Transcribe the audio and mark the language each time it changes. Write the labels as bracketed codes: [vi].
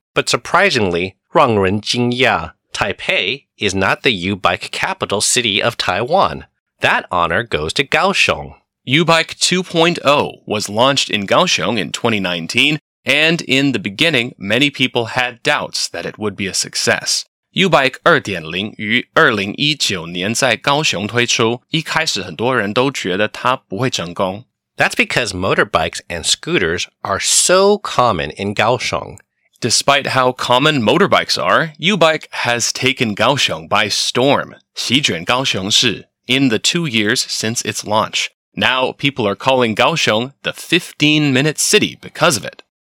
[en] But surprisingly, [zh] 让人惊讶, [en] Taipei is not the U-Bike capital city of Taiwan. That honor goes to Kaohsiung. U-Bike 2.0 was launched in Kaohsiung in 2019, and in the beginning, many people had doubts that it would be a success. [zh] U-Bike 2.0 于2019年在高雄推出，一开始很多人都觉得它不会成功。 [en] That's because motorbikes and scooters are so common in Kaohsiung. Despite how common motorbikes are, U-Bike has taken Kaohsiung by storm, [zh] 席卷高雄市, [en] in the 2 years since its launch. Now, people are calling Kaohsiung the 15-minute city because of it.